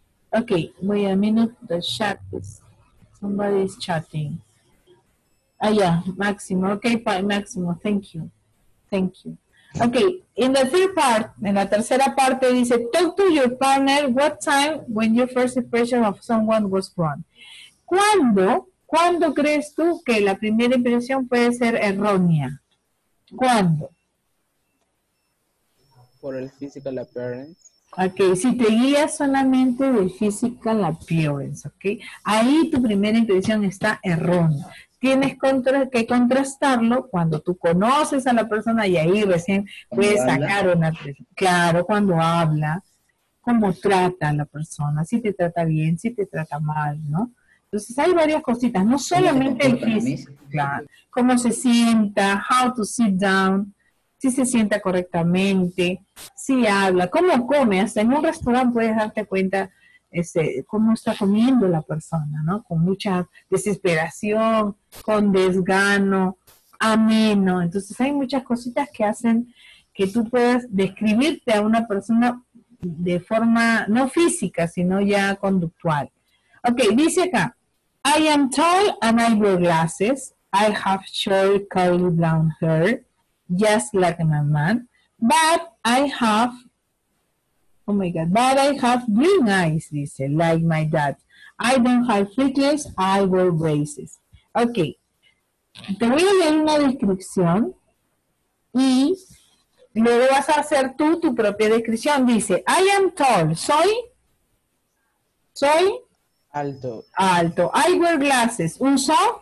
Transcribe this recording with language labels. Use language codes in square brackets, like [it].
[en] Okay, wait a minute. The chat is... Somebody is chatting. Máximo. Okay, Máximo. Thank you. Thank you. Okay, in the third part, [es] en la tercera parte dice, [en] talk to your partner what time when your first impression of someone was wrong. [es] ¿Cuándo crees tú que la primera impresión puede ser errónea? ¿Cuándo? Por el [en] physical appearance. [es] Okay, si te guías solamente del [en] physical appearance, [es] okay, ahí tu primera impresión está errónea. Tienes que contrastarlo cuando tú conoces a la persona y ahí recién puedes sacar una impresión. Claro, cuando habla, cómo trata a la persona, si te trata bien, si te trata mal, ¿no? Entonces hay varias cositas, no solamente el físico, claro. Cómo se sienta, [en] how to sit down, [es] si se sienta correctamente, si habla, cómo come. Hasta en un restaurante puedes darte cuenta cómo está comiendo la persona, ¿no? Con mucha desesperación, con desgano, ameno. Entonces hay muchas cositas que hacen que tú puedas describirte a una persona de forma no física, sino ya conductual. [en] Ok, [es] dice acá, [en] I am tall and I wear glasses. I have short curly brown hair, just like my man. But I have green eyes, [es] dice, [en] like my dad. I don't have freckles, I wear braces. [es] Ok, te voy a leer una descripción y luego vas a hacer tú tu propia descripción. Dice, [en] I am tall, [es] soy alto. Alto. [en] I wear glasses, [es] uso